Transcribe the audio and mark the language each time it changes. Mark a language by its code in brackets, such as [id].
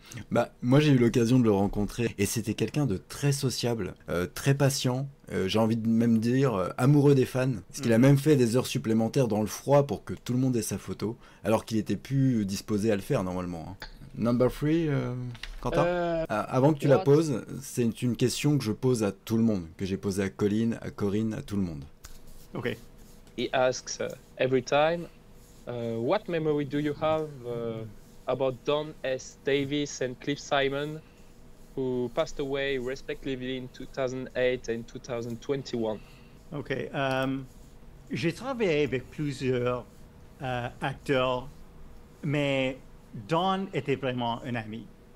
[fr] Bah, moi j'ai eu l'occasion de le rencontrer et c'était quelqu'un de très sociable, très patient, j'ai envie de même dire amoureux des fans, parce qu'il a même fait des heures supplémentaires dans le froid pour que tout le monde ait sa photo, alors qu'il était plus disposé à le faire normalement. [en] Number 3, [fr] Quentin avant que tu la poses, c'est une question que je pose à tout le monde, que j'ai posée à Colin, à Corinne, à tout le monde. Ok. [en] He asks every time, what memory do you have about Don S. Davis and Cliff Simon, who passed away respectively in 2008 and 2021. Okay. [fr] J'ai travaillé avec plusieurs acteurs, mais Don était vraiment un ami.